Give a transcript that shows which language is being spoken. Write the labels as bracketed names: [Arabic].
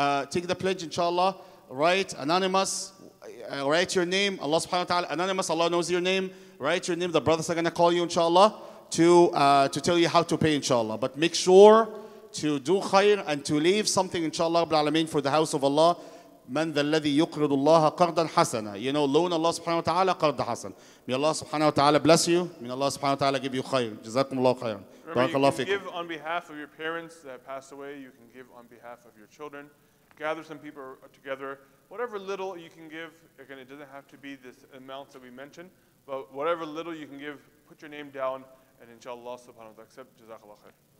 [English] Take the pledge, inshallah. Write anonymous. Write your name. Allah subhanahu wa ta'ala, anonymous. Allah knows your name. Write your name. The brothers are going to call you, inshallah, to tell you how to pay, inshallah. But make sure to do khair and to leave something, inshallah, Rabbil Alameen, for the house of Allah. Man the [Arabic] الذي يقرض الله قرضا حسنا. [English] You know, loan Allah subhanahu wa ta'ala [Arabic] قرض حسن. [English] May Allah subhanahu wa ta'ala bless you. May Allah subhanahu wa ta'ala give you khair. [Arabic] جزاكم الله خيرا. [English] Remember, you can give on behalf of your parents that passed away. You can give on behalf of your children. Gather some people together. Whatever little you can give, again, it doesn't have to be this amount that we mentioned, but whatever little you can give, put your name down, and inshallah subhanahu wa ta'ala accept. [Arabic] جزاك الله خير.